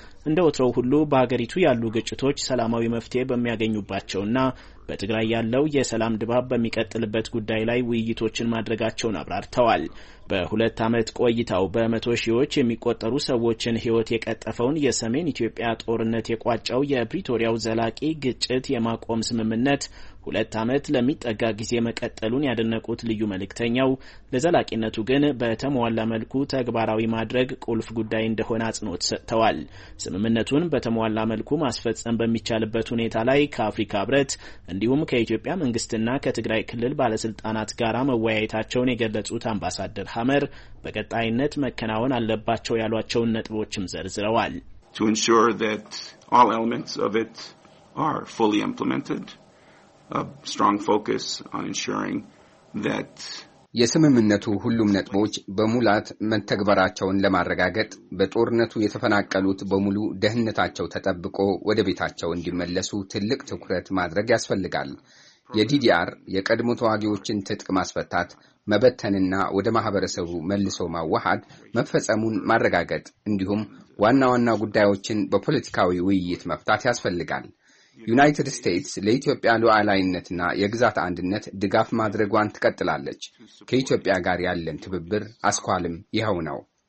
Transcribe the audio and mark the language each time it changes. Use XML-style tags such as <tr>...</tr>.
<am>እንደወትሮው ሁሉ በሀገሪቱ ያሉ ግጭቶች ሰላማዊ መፍትሄ በሚያገኙባቸውና በትግራይ ያለው የሰላም ድባብ በሚቀጥልበት ጉዳይ ላይ ውይይቶችን ማድረጋቸውን አብራርተዋል። በሁለት ዓመት ቆይታው በመቶ ሺዎች የሚቆጠሩ ሰዎችን ህይወት የቀጠፈውን የሰሜን ኢትዮጵያ ጦርነት የቋጨው የፕሪቶሪያው ዘላቂ ግጭት የማቆም ስምምነት ሁለት ዓመት ለሚጠጋ ጊዜ መቀጠሉን ያደነቁት ልዩ መልእክተኛው ለዘላቂነቱ ግን በተሟላ መልኩ ተግባራዊ ማድረግ ቁልፍ ጉዳይ እንደሆነ አጽንኦት ሰጥተዋል። ስምምነቱን በተሟላ መልኩ ማስፈጸም በሚቻልበት ሁኔታ ላይ ከአፍሪካ ህብረት እንዲሁም ከኢትዮጵያ መንግስትና ከትግራይ ክልል ባለስልጣናት ጋር መወያየታቸውን የገለጹት አምባሳደር ሃመር በቀጣይነት መከናወን አለባቸው ያሏቸውን ነጥቦችም ዘርዝረዋል።</am> <en>To ensure that all elements of it are fully implemented. A strong focus on ensuring that</en> <am>የስምምነቱ ሁሉም ነጥቦች በሙላት መተግበራቸውን ለማረጋገጥ በጦርነቱ የተፈናቀሉት በሙሉ ደህንነታቸው ተጠብቆ ወደ ቤታቸው እንዲመለሱ ትልቅ ትኩረት ማድረግ ያስፈልጋል። የዲዲአር የቀድሞ ተዋጊዎችን ትጥቅ ማስፈታት መበተንና ወደ ማህበረሰቡ መልሶ ማዋሃድ መፈጸሙን ማረጋገጥ እንዲሁም ዋና ዋና ጉዳዮችን በፖለቲካዊ ውይይት መፍታት ያስፈልጋል። ዩናይትድ ስቴትስ ለኢትዮጵያ ሉዓላዊነትና የግዛት አንድነት ድጋፍ ማድረጓን ትቀጥላለች። ከኢትዮጵያ ጋር ያለን ትብብር አስኳልም ይኸው ነው።</am>